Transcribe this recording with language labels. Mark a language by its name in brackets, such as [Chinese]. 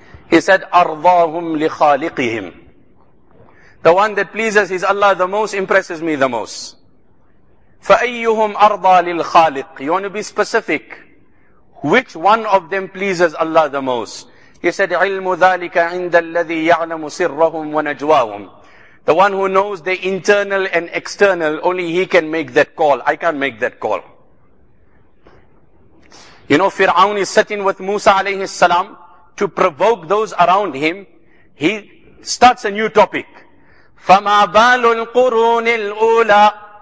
[English] He said, [Arabic] أَرْضَاهُمْ لِخَالِقِهِمْ. [English] The one that pleases his Allah the most impresses me the most. [Arabic] فَأَيُّهُمْ أَرْضَى لِلْخَالِقِ. [English] You want to be specific. Which one of them pleases Allah the most? [Arabic] He said, عِلْمُ ذَلِكَ عِنْدَ الَّذِي يَعْلَمُ سِرَّهُمْ وَنَجْوَاهُمْ. [English] The one who knows the internal and external, only he can make that call. I can't make that call. You know, Fir'aun is sitting with Musa alayhi salam to provoke those around him. He starts a new topic. [Arabic] فَمَا بَالُ الْقُرُونِ الْأُولَىٰ.